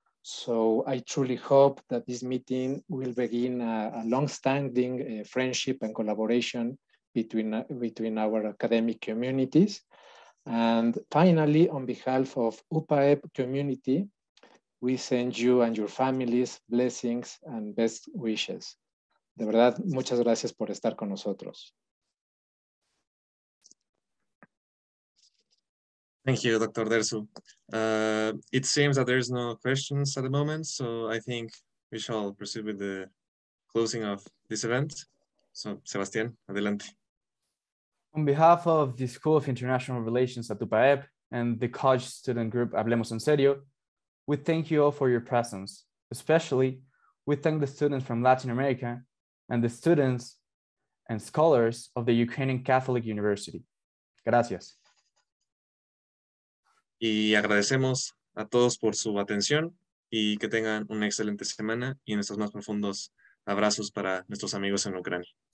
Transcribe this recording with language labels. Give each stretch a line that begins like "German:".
English: So I truly hope that this meeting will begin a long-standing friendship and collaboration between our academic communities. And finally, on behalf of UPAEP community, we send you and your families blessings and best wishes.
Spanish: De verdad, muchas gracias por estar con nosotros.
English: Thank you, Dr. Dersu. It seems that there is no questions at the moment, so I think we shall proceed with the closing of this event. So, Sebastián,
Spanish: adelante.
English: On behalf of the School of International Relations at UPAEP and the college student group Hablemos en Serio, we thank you all for your presence. Especially, we thank the students from Latin America and the students and scholars of the Ukrainian Catholic University.
Spanish: Gracias. Y agradecemos a todos por su atención y que tengan una excelente semana y nuestros más profundos abrazos para nuestros amigos en Ucrania.